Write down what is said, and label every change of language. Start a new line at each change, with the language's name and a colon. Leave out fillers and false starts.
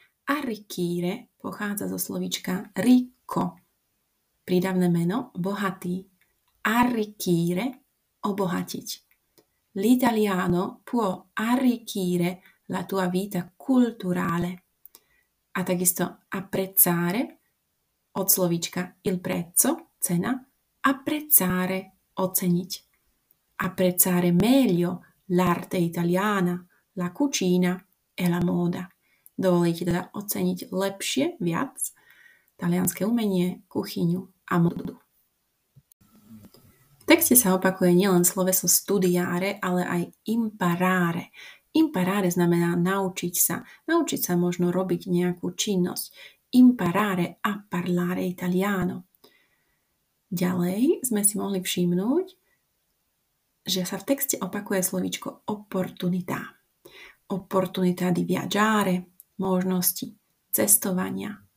Slovak: Arricchire pochádza zo slovíčka ricco, prídavné meno bohatý. Arricchire, obohatiť.
Italian: L'italiano può arricchire la tua vita culturale.
Slovak: A takisto apprezzare, od slovíčka il prezzo, cena, apprezzare, oceniť.
Italian: Apprezzare meglio l'arte italiana, la cucina e la moda.
Slovak: Dovolíte teda oceniť lepšie, viac, talianske umenie, kuchyňu a modu. V texte sa opakuje nielen sloveso studiare, ale aj imparare. Imparare znamená naučiť sa možno robiť nejakú činnosť.
Italian: Imparare a parlare italiano.
Slovak: Ďalej sme si mohli všimnúť, že sa v texte opakuje slovíčko opportunità.
Italian: Opportunità di viaggiare,
Slovak: možnosti cestovania.